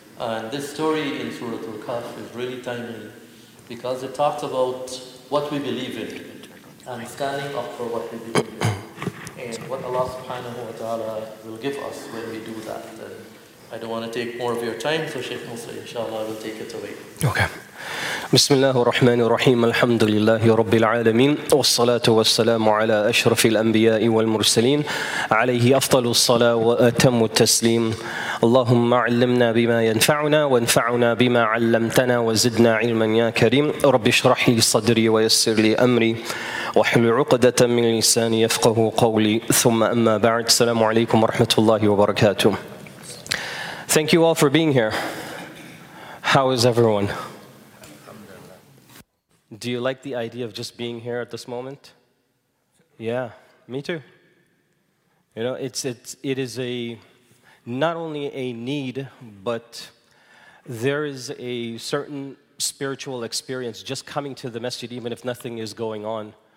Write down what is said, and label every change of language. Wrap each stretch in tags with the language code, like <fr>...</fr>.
<en>And this story in Surah Al-Kahf is really timely because it talks about what we believe in and standing up for what we believe in and what Allah subhanahu wa ta'ala will give us when we do that. And I don't want to take more of your time, so Sheikh Musa, inshallah, will take it away. Okay.</en> <ar>بسم الله الرحمن الرحيم الحمد لله رب العالمين والصلاة والسلام على أشرف الأنبياء والمرسلين عليه أفضل الصلاة وأتم التسليم اللهم علمنا بما ينفعنا وانفعنا بما علمتنا وزدنا علما يا كريم رب اشرح لي صدري ويسر لي أمري واحلل عقدة من لساني يفقه قولي ثم أما بعد السلام عليكم ورحمة الله وبركاته.</ar> <en>Thank you all for being here. How is everyone? Do you like the idea of just being here at this moment? Yeah, me too. You know, it is a not only a need, but there is a certain spiritual experience just coming to the masjid, even if nothing is going on.</en>